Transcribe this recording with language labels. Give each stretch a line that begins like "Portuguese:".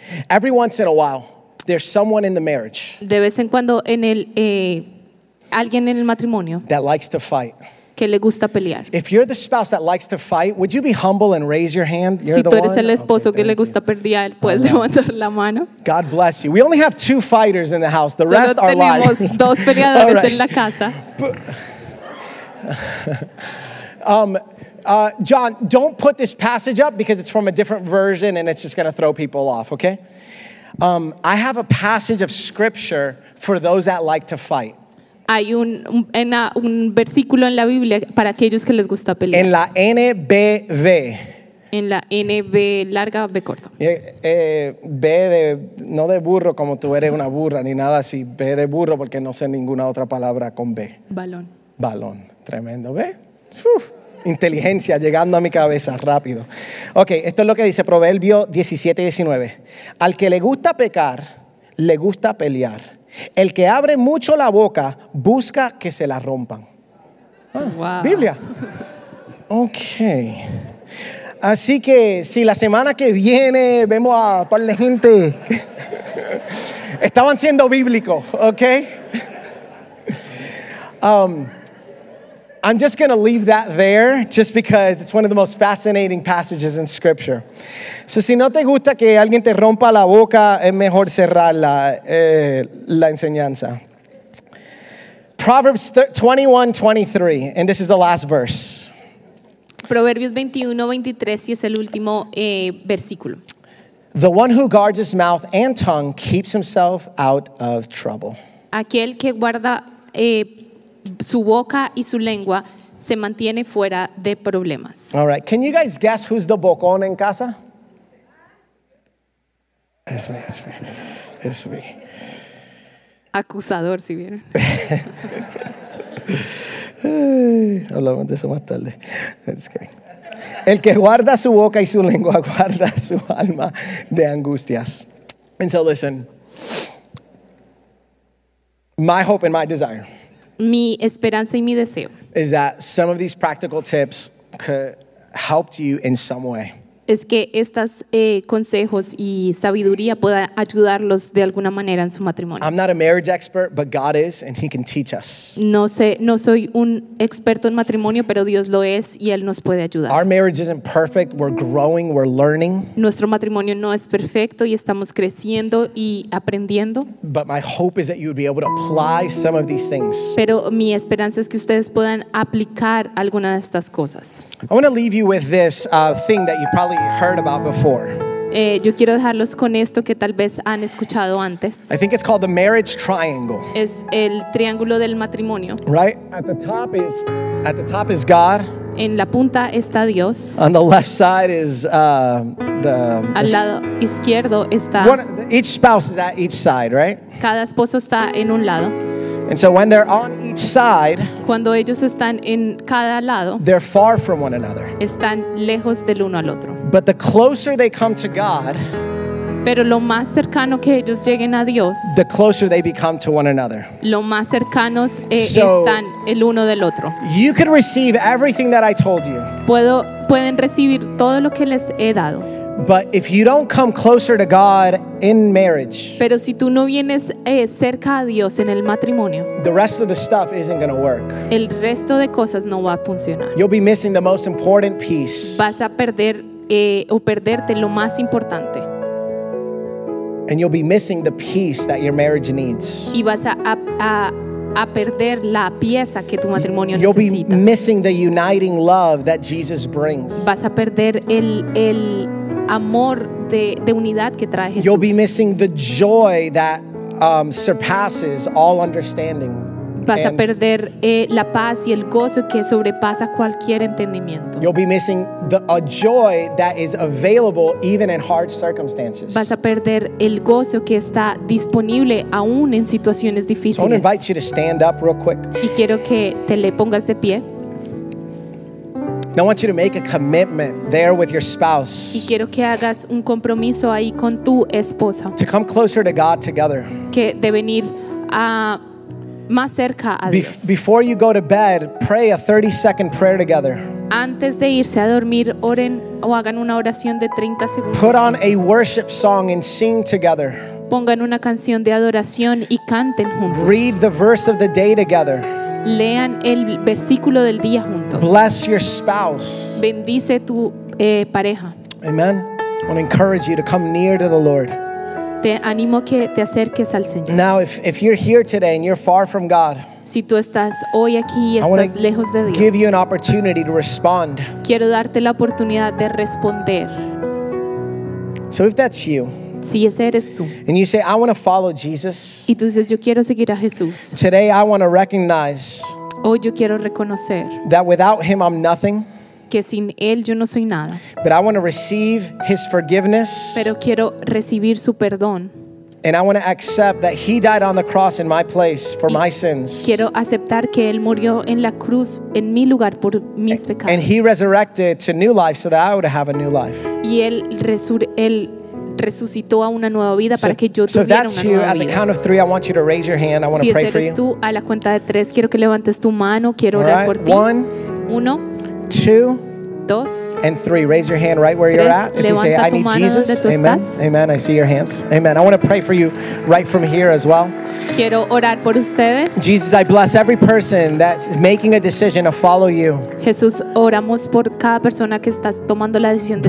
English: Every once in a while, there's someone in the marriage.
Spanish: De vez en cuando en el alguien en el matrimonio.
English: That likes to fight.
Spanish: Que le gusta pelear.
English: If you're the spouse that likes to fight, would you be humble and raise your hand? You're
Spanish: si tú eres el esposo okay, que le gusta pelear, puedes levantar la mano.
English: God bless you. We only have two fighters in the house. The
Spanish: solo
English: rest are liars.
Spanish: Tenemos dos peleadores
English: right.
Spanish: En la casa.
English: John, don't put this passage up because it's from a different version and it's just going to throw people off, okay? I have a passage of scripture for those that like to fight.
Spanish: Hay un versículo en la Biblia para aquellos que les gusta pelear. En la NBV. En la NB larga, B corta. B de, no de burro como tú eres una burra ni nada así. B de burro porque no sé ninguna otra palabra con B. Balón. Balón. Tremendo. B. Uf. Inteligencia llegando a mi cabeza rápido. Ok, esto es lo que dice Proverbio 17:19. Al que le gusta pecar, le gusta pelear. El que abre mucho la boca busca que se la rompan. Ah, wow. Biblia. Okay. Así que si la semana que viene vemos a un par de gente, estaban siendo bíblicos, okay?
English: I'm just going to leave that there just because it's one of the most fascinating passages in scripture.
Spanish: So si no te gusta que alguien te rompa la boca, es mejor cerrar la enseñanza.
English: Proverbs 21:23, and this is the last verse.
Spanish: Proverbios 21:23 y es el último versículo.
English: The one who guards his mouth and tongue keeps himself out of trouble.
Spanish: Aquel que guarda su boca y su lengua se mantiene fuera de problemas.
English: All right. Can you guys guess who's the
Spanish: bocón en casa?
English: It's me, it's me, it's me.
Spanish: Acusador, si bien. Hablamos de eso más tarde.
English: Just kidding.
Spanish: El que guarda su boca y su lengua guarda su alma de angustias.
English: And so listen, my hope and my desire,
Spanish: mi esperanza y mi deseo,
English: is that some of these practical tips could help you in some way.
Spanish: Es que estos consejos y sabiduría puedan ayudarlos de alguna manera en su matrimonio.
English: I'm not a marriage expert, but God is, and He can teach us.
Spanish: No sé, no soy un experto en matrimonio, pero Dios lo es y Él nos puede ayudar.
English: Our marriage isn't perfect. We're growing. We're learning.
Spanish: Nuestro matrimonio no es perfecto y estamos creciendo y aprendiendo.
English: But my hope is that you would be able to apply some of these things.
Spanish: Pero mi esperanza es que ustedes puedan aplicar alguna de estas cosas.
English: I want to leave you with this thing that you probably heard about before.
Spanish: Yo quiero dejarlos con esto que tal vez han escuchado antes.
English: I think it's called the marriage triangle.
Spanish: Es el triángulo del matrimonio.
English: Right? At the top is God.
Spanish: En la punta está Dios.
English: On the left side is the
Spanish: al lado izquierdo está
English: each spouse is at each side, right?
Spanish: Cada esposo está en un lado.
English: And so when they're on each side,
Spanish: cuando ellos están en cada lado,
English: they're far from one another.
Spanish: Están lejos del uno al otro.
English: But the closer they come to God,
Spanish: pero lo más cercano que ellos lleguen a Dios,
English: the closer they become to one another.
Spanish: Lo más cercanos están el uno del otro.
English: You can receive everything that I told you.
Spanish: Pueden recibir todo lo que les he dado.
English: But if you don't come closer to God in marriage,
Spanish: pero si tú no vienes cerca a Dios en el matrimonio,
English: the rest of the stuff isn't going to work.
Spanish: El resto de cosas no va a funcionar.
English: You'll be missing the most important piece.
Spanish: Vas a perder o perderte lo más importante.
English: And you'll be missing the piece that your marriage needs.
Spanish: Y vas a perder la pieza que tu matrimonio necesita.
English: You'll be missing the uniting love that Jesus brings.
Spanish: Vas a perder el amor de unidad que trae Jesús.
English: You'll be missing the joy that surpasses all understanding.
Spanish: Vas a perder la paz y el gozo que sobrepasa cualquier entendimiento.
English: You'll be missing a joy that is available even in hard circumstances.
Spanish: Vas a perder el gozo que está disponible aún en situaciones difíciles.
English: So I want to invite you to stand up real quick.
Spanish: Y quiero que te le pongas de pie.
English: I want you to make a commitment there with your spouse.
Spanish: Y quiero que hagas un compromiso ahí con tu esposa.
English: To come closer to God together.
Spanish: Que de venir a más cerca a Dios.
English: Before you go to bed, pray a 30-second prayer together.
Spanish: Antes de irse a dormir, oren o hagan una oración de 30 segundos.
English: Put on a worship song and sing together.
Spanish: Pongan una canción de adoración y canten juntos.
English: Read the verse of the day together.
Spanish: Lean el versículo del día juntos.
English: Bless your spouse.
Spanish: Bendice tu pareja.
English: Amen. I want to encourage you to come near to the Lord.
Spanish: Te animo que te acerques al Señor.
English: Now, if you're here today and you're far from God,
Spanish: si tú estás hoy aquí y estás lejos de Dios,
English: give you an opportunity to respond.
Spanish: Quiero darte la oportunidad de responder.
English: So if that's you,
Spanish: si ese eres tú,
English: and you say, I want to follow Jesus,
Spanish: y tú dices, yo quiero seguir a Jesús,
English: today I want to recognize,
Spanish: hoy yo quiero reconocer,
English: that without him I'm nothing,
Spanish: que sin él yo no soy nada,
English: but I want to receive his forgiveness,
Spanish: pero quiero recibir su perdón,
English: and I want to accept that he died on the cross in my place for my sins,
Spanish: quiero aceptar que él murió en la cruz en mi lugar por mis pecados,
English: and he resurrected to new life so that I would have a new life,
Spanish: y él resucitó a una nueva vida para que yo tuviera una nueva vida.
English: So if that's you, at the count of three, I want you to raise your hand. I want to pray for you.
Spanish: Si eres tú, a la cuenta de tres, quiero que levantes tu mano. Quiero orar por ti.
English: One,
Spanish: uno,
English: two,
Spanish: dos,
English: and three. Raise your hand right where
Spanish: tres,
English: you're at. If you say, I need Jesus, amen.
Spanish: Estás.
English: Amen. I see your hands. Amen. I want to pray for you right from here as well.
Spanish: Quiero orar por ustedes.
English: Jesus, I bless every person that's making a decision to follow you.
Spanish: Jesús, oramos por cada persona que está tomando la decisión de seguirte.